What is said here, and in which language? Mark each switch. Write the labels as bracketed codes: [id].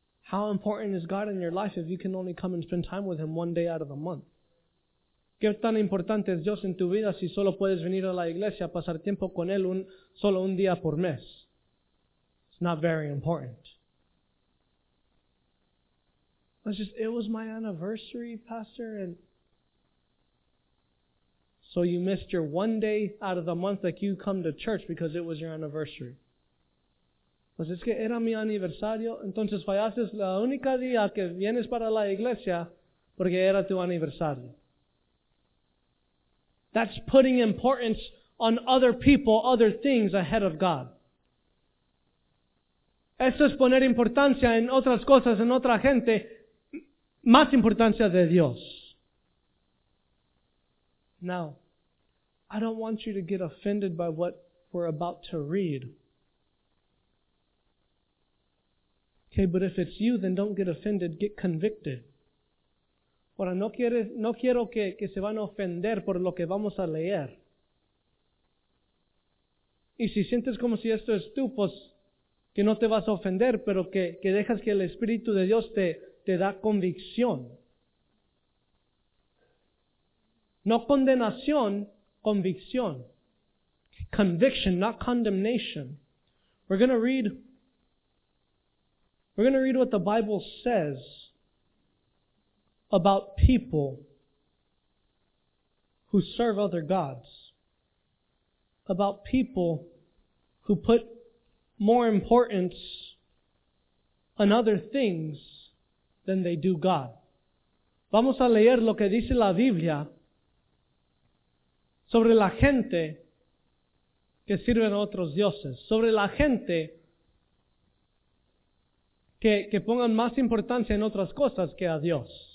[en] How important is God in your life if you can only come and spend time with Him one day out of the month? [es] ¿Qué tan importante es Dios en tu vida si solo puedes venir a la iglesia a pasar tiempo con Él solo un día por mes? [en] It's not very important. It was my anniversary, Pastor, and so you missed your one day out of the month that you come to church because it was your anniversary. [es] Pues es que era mi aniversario, entonces fallaste la única día que vienes para la iglesia porque era tu aniversario. [en] That's putting importance on other people, other things ahead of God. [es] Eso es poner importancia en otras cosas, en otra gente, más importancia de Dios. [en] Now, I don't want you to get offended by what we're about to read. Okay, but if it's you, then don't get offended, get convicted. [es] Ahora, no quiero que se van a ofender por lo que vamos a leer. Y si sientes como si esto es tú, pues que no te vas a ofender, pero que dejas que el Espíritu de Dios te da convicción. No condenación, convicción. [en] Conviction, not condemnation. We're going to read what the Bible says about people who serve other gods. About people who put more importance on other things than they do God. [es] Vamos a leer lo que dice la Biblia sobre la gente que sirven a otros dioses. Sobre la gente que pongan más importancia en otras cosas que a Dios.